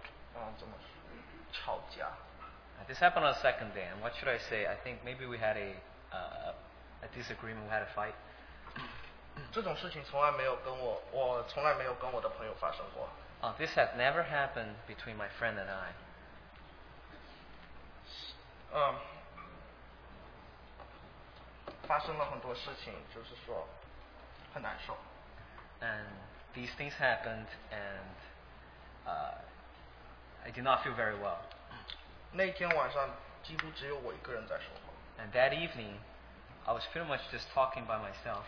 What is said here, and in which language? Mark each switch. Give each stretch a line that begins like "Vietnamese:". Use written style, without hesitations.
Chinese: 但这是第二天的事情，因为那一天事情发生，能说吧，怎么吵架。
English: This happened on the second day, and what should I say? I think maybe we had a disagreement, we had a fight.
Chinese: 这种事情从来没有跟我的朋友发生过。
English: This had never happened between my friend and I.
Chinese: 发生了很多事情，就是说很难受。
English: And these things happened, and I did not feel very well.
Chinese: 那天晚上几乎只有我一个人在说话。
English: And that evening, I was pretty much just talking by myself.